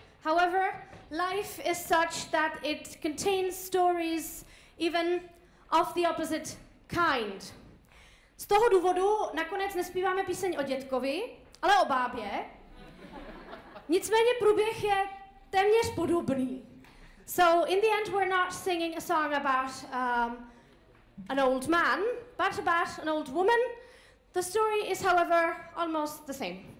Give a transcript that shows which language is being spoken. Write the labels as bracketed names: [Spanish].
[English] However, life is such that it contains stories even of the opposite kind. [Czech] Z toho důvodu nakonec nespíváme píseň o dětkovi, ale o bábě. Nicméně průběh je téměř podobný. [English] So in the end we're not singing a song about an old man, but about an old woman. The story is however almost the same.